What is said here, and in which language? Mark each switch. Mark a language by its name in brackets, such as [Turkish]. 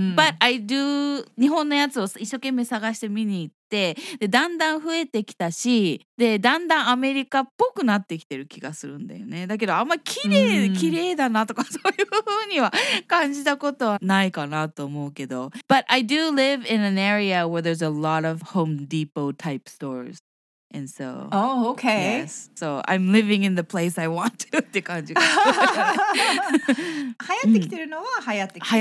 [English] But I do [Japanese] 日本のやつを一生懸命探して見に行って、でだんだん増えてきたし、でだんだんアメリカっぽくなってきてる気がするんだよね。だけどあんま綺麗、綺麗だなとかそういう風には感じたことはないかなと思うけど。 [English] But I do live in an area where there's a lot of Home Depot type stores. And so... Oh, okay. Yes. So I'm living in the place I want to [Japanese] って感じ。流行ってきてるのは流行ってきてる。